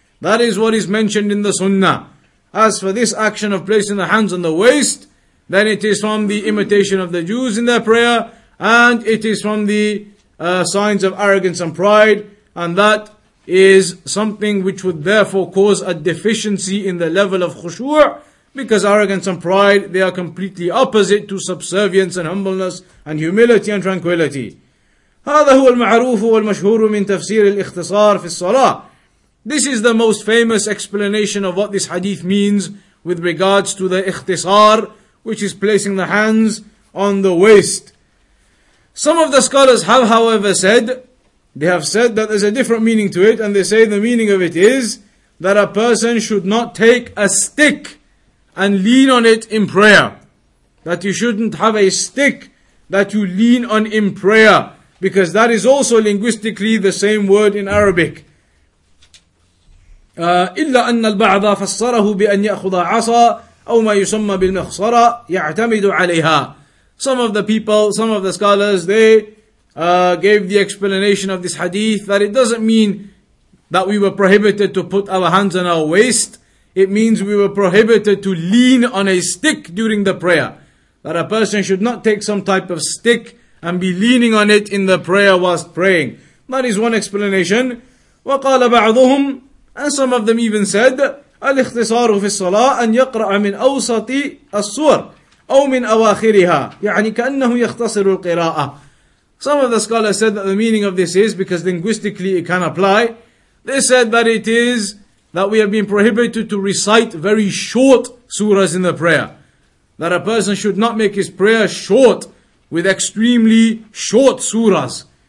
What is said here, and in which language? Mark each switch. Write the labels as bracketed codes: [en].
[en] That is what is mentioned in the sunnah. As for this action of placing the hands on the waist, then it is from the imitation of the Jews in their prayer, and it is from the signs of arrogance and pride, and that is something which would therefore cause a deficiency in the level of khushu', because arrogance and pride, they are completely opposite to subservience and humbleness and humility and tranquility. [ar] هذا هو المعروف والمشهور من تفسير الاختصار في الصلاة. [en] This is the most famous explanation of what this hadith means with regards to the ikhtisar, which is placing the hands on the waist. Some of the scholars have, however, said, they have said that there's a different meaning to it, and they say the meaning of it is that a person should not take a stick and lean on it in prayer. That you shouldn't have a stick that you lean on in prayer, because that is also linguistically the same word in Arabic. [ar] إلا أن البعض فسره بأن يأخذ عصا أو ما يسمى بالمخصرة يعتمد عليها. [en] Some of the people, some of the scholars, they gave the explanation of this hadith that it doesn't mean that we were prohibited to put our hands on our waist. It means we were prohibited to lean on a stick during the prayer. That a person should not take some type of stick and be leaning on it in the prayer whilst praying. That is one explanation. [ar] وقال بعضهم, [en] and some of them even said, [ar] الاختصار في الصلاة أن يقرأ من أوسط الصور أو من أواخرها. يعني كأنه يختصر القراءة. [en] Some of the scholars said that the meaning of this is, because linguistically it can apply, they said that it is that we have been prohibited to recite very short surahs in the prayer. That a person should not make his prayer short with extremely short surahs.